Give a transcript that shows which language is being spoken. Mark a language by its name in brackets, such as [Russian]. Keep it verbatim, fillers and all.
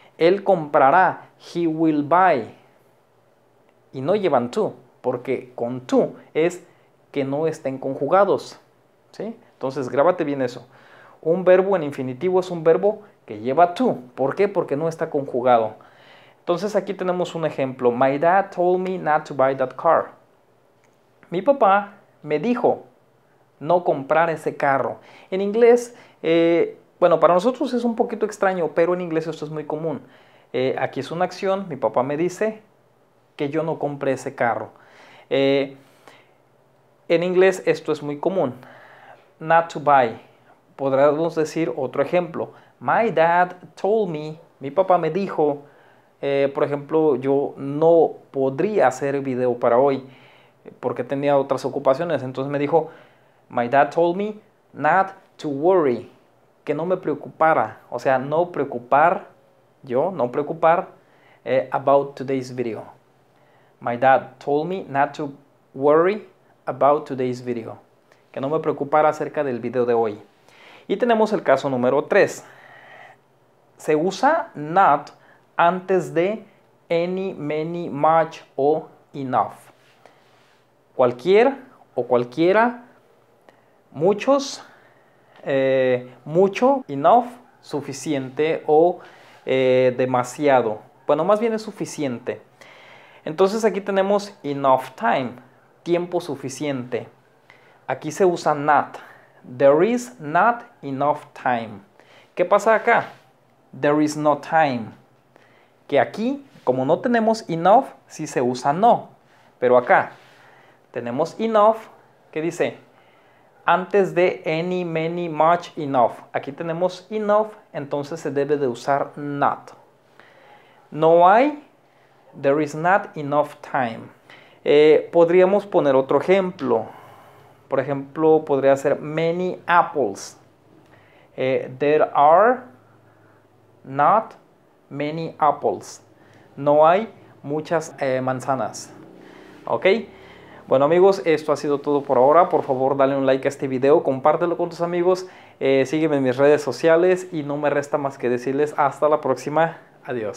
[Spanish] Él comprará, [English] he will buy. [Spanish] Y no llevan to, porque con to es que no estén conjugados. ¿Sí? Entonces, grábate bien eso. Un verbo en infinitivo es un verbo que lleva to. ¿Por qué? Porque no está conjugado. Entonces, aquí tenemos un ejemplo. [English] My dad told me not to buy that car. [Spanish] Mi papá me dijo no comprar ese carro. En inglés, eh, bueno, para nosotros es un poquito extraño, pero en inglés esto es muy común. Eh, aquí es una acción, mi papá me dice que yo no compré ese carro. Eh, en inglés esto es muy común. [English] Not to buy. [Spanish] Podríamos decir otro ejemplo. [English] My dad told me, [Spanish] mi papá me dijo, eh, por ejemplo, yo no podría hacer video para hoy, porque tenía otras ocupaciones. Entonces me dijo, [English] my dad told me not to worry, [Spanish] que no me preocupara, o sea, no preocupar, yo, no preocupar eh, [English] about today's video. My dad told me not to worry about today's video, [Spanish] que no me preocupara acerca del video de hoy. Y tenemos el caso número tres. Se usa not antes de any, many, much o enough. Cualquier o cualquiera, muchos, eh, mucho, enough, suficiente o eh, demasiado. Bueno, más bien es suficiente. Entonces aquí tenemos [English] enough time, [Spanish] tiempo suficiente. Aquí se usa not. [English] There is not enough time. [Spanish] ¿Qué pasa acá? [English] There is no time. [Spanish] Que aquí, como no tenemos enough, sí se usa no. Pero acá tenemos enough, que dice antes de any, many, much, enough. Aquí tenemos enough, entonces se debe de usar not. No hay, [English] there is not enough time. [Spanish] Eh, podríamos poner otro ejemplo. Por ejemplo, podría ser [English] many apples. Eh, there are not many apples. [Spanish] No hay muchas eh, manzanas. ¿Ok? Bueno amigos, esto ha sido todo por ahora. Por favor dale un like a este video, compártelo con tus amigos, eh, sígueme en mis redes sociales y no me resta más que decirles hasta la próxima. Adiós.